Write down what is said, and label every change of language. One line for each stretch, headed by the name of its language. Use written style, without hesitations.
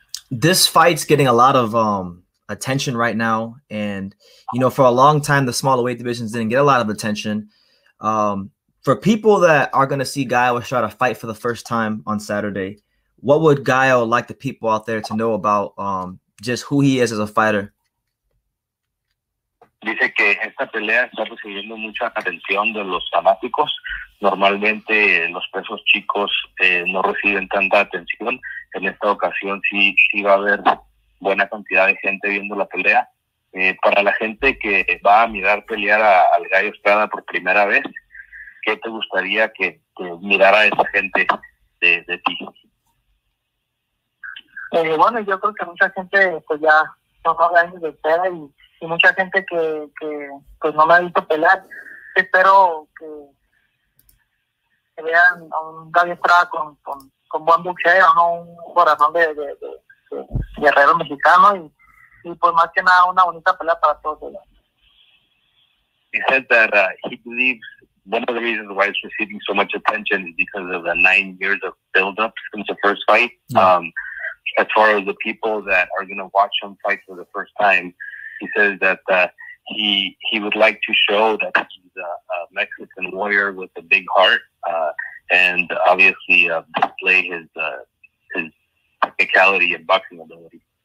English: This fight's getting a lot of attention right now, and you know, for a long time, the smaller weight divisions didn't get a lot of attention. For people that are going to see Gallo try to fight for the first time on Saturday, what would Gallo like the people out there to know about just who he is as a fighter?
Spanish: Dice que esta pelea está recibiendo mucha atención de los fanáticos. Normalmente los pesos chicos no reciben tanta atención. En esta ocasión sí va a haber buena cantidad de gente viendo la pelea. Para la gente que va a mirar pelear al Gallo Estrada por primera vez, ¿qué te gustaría que mirara esa gente de ti? Bueno, yo creo que mucha gente pues ya son años de espera y mucha gente que pues no me ha visto pelear. Espero que vean a un Gallo Estrada con buen boxeo, ¿no? Un corazón de guerrero mexicano y pues más que nada una bonita pelea para todos.
English: He believes one of the reasons why it's receiving so much attention is because of the 9 years of build-up since the first fight. As far as the people that are going to watch him fight for the first time, he says that he would like to show that he's a Mexican warrior with a big heart and obviously display his technicality and boxing ability.